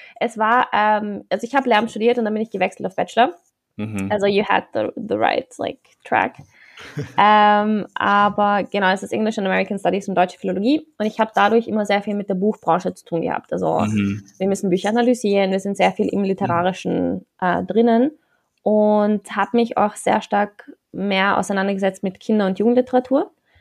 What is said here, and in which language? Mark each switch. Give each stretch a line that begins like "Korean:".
German: Es war, also ich habe Lehramt studiert und dann bin ich gewechselt auf Bachelor. Mhm.
English: Also you had the right like track.
German: aber genau, es ist English and American Studies und deutsche Philologie. Und ich habe dadurch immer sehr viel mit der Buchbranche zu tun gehabt. Also wir müssen Bücher analysieren, wir sind sehr viel im Literarischen drinnen. Und habe mich auch sehr stark mehr auseinandergesetzt mit Kinder- und Jugendliteratur.